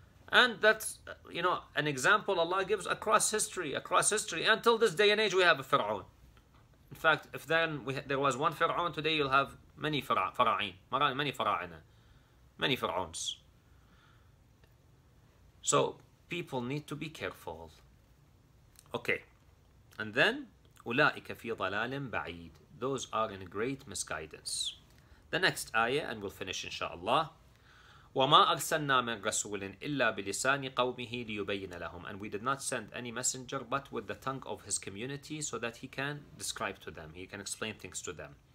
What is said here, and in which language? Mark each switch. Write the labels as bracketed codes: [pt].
[en] And that's, you know, an example Allah gives across history, until this day and age we have a Fir'aun. In fact, if then there was one Fir'aun, today you'll have many Fara'in, many Fara'ina, many Fir'auns. So people need to be careful. Okay, and then, [ar] أُولَٰئِكَ فِي ضَلَالٍ بَعِيدٍ. [en] Those are in great misguidance. The next ayah, and we'll finish inshallah. [ar] وَمَا أَرْسَلْنَا مِنْ رَسُولٍ إِلَّا بِلِسَانِ قَوْمِهِ لِيُبَيِّنَ لَهُمْ. [en] And we did not send any messenger but with the tongue of his community so that he can describe to them, he can explain things to them.